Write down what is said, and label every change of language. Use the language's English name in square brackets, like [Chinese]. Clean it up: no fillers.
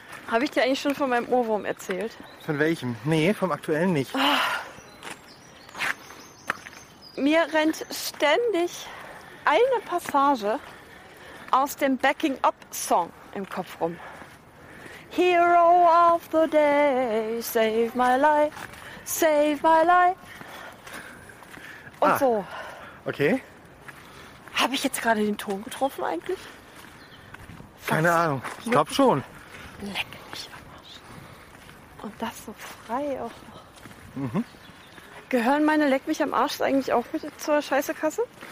[German] Habe ich dir eigentlich schon von meinem Ohrwurm erzählt? Von welchem? Nee, vom aktuellen nicht. Oh. Mir rennt ständig eine Passage aus dem Backing-Up-Song im Kopf rum. [English] Hero of the day, save my life, save my life. [German] Und so. Okay. Habe ich jetzt gerade den Ton getroffen eigentlich? Was? Keine Ahnung, ich glaube schon. Leck mich am Arsch. Und das so frei auch noch. Mhm. Gehören meine Leck mich am Arsch eigentlich auch mit zur Scheißekasse?